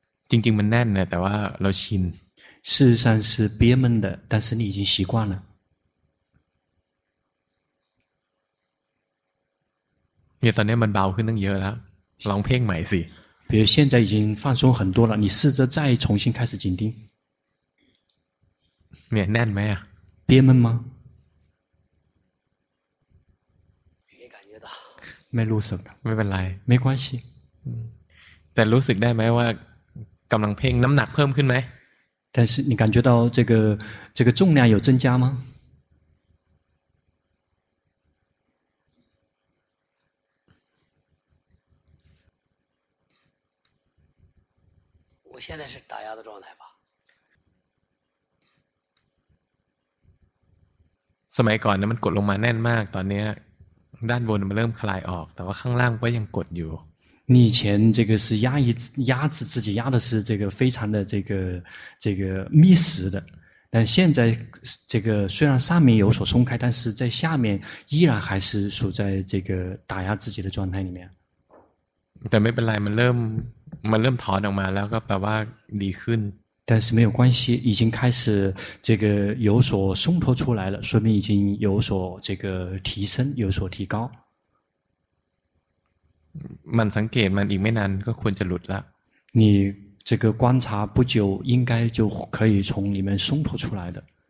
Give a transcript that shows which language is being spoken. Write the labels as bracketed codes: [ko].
[th] จริงๆมันแน่นนะแต่ว่าเราชิน [zh] 事实上是憋闷的但是你已经习惯了 [th] เนี่ยตอนนี้มันเบาขึ้นตั้งเยอะแล้วลองเพ่งใหม่สิ [zh] 比如现在已经放松很多了你试着再重新开始紧盯 [th] เนี่ยแน่นไหมอ่ะ [zh] 憋闷吗 [th] ไม่รู้สึก ไม่เป็นไร [zh] ไม่关系 [th] แต่รู้สึกได้ไหมว่ากำลังเพ่งน้ำหนักเพิ่มขึ้นไหม [zh] 但是你感觉到这个重量有增加吗我现在是打压的状态吧 [th] สมัยก่อนนะมันกดลงมาแน่นมากตอนนี้ด้านบนมันเริ่มคลายออกแต่ว่าข้างล่างก็ยังกดอยู่ [zh] 你以前这个是压制自己压的是这个非常的这个密实的但现在这个虽然上面有所松开但是在下面依然还是处在这个打压自己的状态里面 [th] แต่ไม่เป็นไรมันเริ่มถอนออกมาแล้วก็แปลว่าดีขึ้น [zh] 但是没有关系已经开始这个有所松脱出来了说明已经有所这个提升有所提高 [th] มันสังเกตมันอีกไม่นานก็ควรจะหลุดละ [zh] 你这个观察不久应该就可以从里面松脱出来的